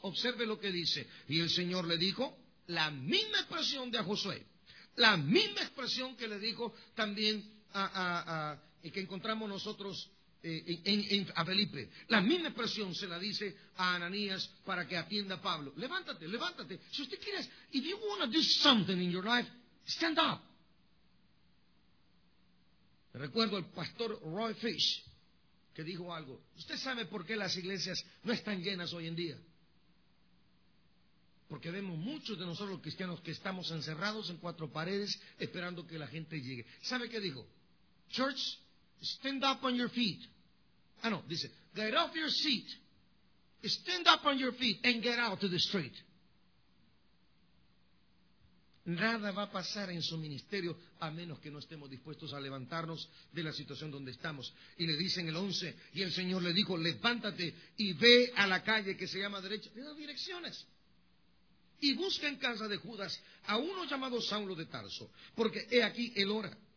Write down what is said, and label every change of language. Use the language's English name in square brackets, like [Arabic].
[Spanish] Observe lo que dice. Y el Señor le dijo, la misma expresión de a Josué, la misma expresión que le dijo también a que encontramos nosotros a Felipe, la misma expresión se la dice a Ananías para que atienda a Pablo. Levántate, levántate. Si usted quiere, [English] if you want to do something in your life, stand up. [Spanish] Recuerdo al pastor Roy Fish que dijo algo. ¿Usted sabe por qué las iglesias no están llenas hoy en día? Porque vemos muchos de nosotros los cristianos que estamos encerrados en cuatro paredes esperando que la gente llegue. ¿Sabe qué dijo? [English] Church, stand up on your feet. Ah, [Spanish] no, dice, [English] get off your seat. Stand up on your feet and get out to the street. [Spanish] Nada va a pasar en su ministerio a menos que no estemos dispuestos a levantarnos de la situación donde estamos. Y le dicen el 11, y el Señor le dijo, levántate y ve a la calle que se llama derecha. Le da direcciones. Y busca en casa de Judas a uno llamado Saulo de Tarso, porque he aquí él ora.